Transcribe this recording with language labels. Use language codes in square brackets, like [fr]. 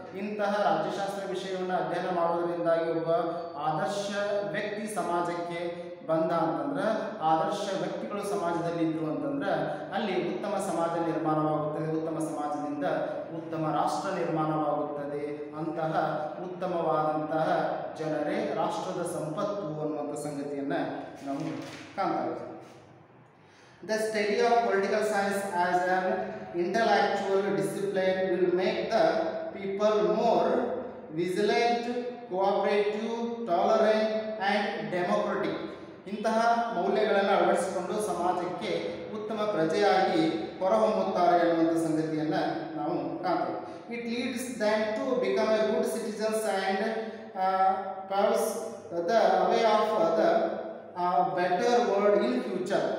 [kn] ಇಂತಹ ರಾಜ್ಯಶಾಸ್ತ್ರ ವಿಷಯವನ್ನು ಅಧ್ಯಯನ ಮಾಡುವುದರಿಂದಾಗಿ ಒಬ್ಬ ಆದರ್ಶ ವ್ಯಕ್ತಿ ಸಮಾಜಕ್ಕೆ ಬಂದ ಅಂತಂದ್ರೆ, ಆದರ್ಶ ವ್ಯಕ್ತಿಗಳು ಸಮಾಜದಲ್ಲಿ ಇದ್ರು ಅಂತಂದ್ರೆ ಅಲ್ಲಿ ಉತ್ತಮ ಸಮಾಜ ನಿರ್ಮಾಣವಾಗುತ್ತದೆ, ಉತ್ತಮ ಸಮಾಜದಿಂದ ಉತ್ತಮ ರಾಷ್ಟ್ರ ನಿರ್ಮಾಣವಾಗುತ್ತದೆ. ಅಂತಹ ಉತ್ತಮವಾದಂತಹ ಜನರೇ ರಾಷ್ಟ್ರದ ಸಂಪತ್ತು ಅನ್ನುವಂಥ ಸಂಗತಿಯನ್ನು ನಾವು ಕಾಣ್ತೇವೆ. [en] The study of political science as an intellectual discipline will make the people more vigilant, cooperative, tolerant and democratic. [kn] ಇಂತಹ ಮೌಲ್ಯಗಳನ್ನು ಅಳವಡಿಸಿಕೊಂಡು ಸಮಾಜಕ್ಕೆ ಉತ್ತಮ ಪ್ರಜೆಯಾಗಿ ಹೊರಹೊಮ್ಮುತ್ತಾರೆ ಅನ್ನುವಂಥ ಸಂಗತಿಯನ್ನು ನಾವು ಕಾಣ್ತೇವೆ. [en] It leads them to become a good citizens and paves the way of the better world in future.